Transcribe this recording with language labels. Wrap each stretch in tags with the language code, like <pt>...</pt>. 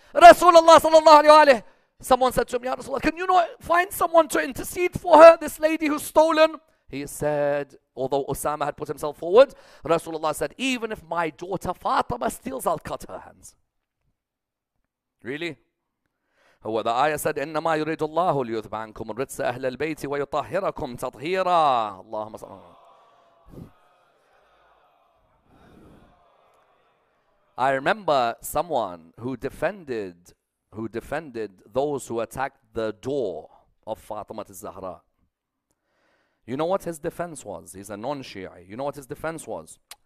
<en>Rasulullah sallallahu alayhi wa alayhi. Someone said to him, Ya Rasulullah, can you not find someone to intercede for her? This lady who's stolen. He said, although Osama had put himself forward, Rasulullah said, even if my daughter Fatima steals, I'll cut her hands. Really? Well, the ayah said,</en> <ar>إِنَّمَا يُرِيدُ اللَّهُ لِيُذْبَ عَنْكُمْ رِجْسَ أَهْلَ الْبَيْتِ وَيُطَهِّرَكُمْ تَطْهِيرًا اللهم صل.</ar> <en>I remember someone who defended those who attacked the door of Fatima al-Zahra. You know what his defense was? He's a non-Shi'i. You know what his defense was?</en>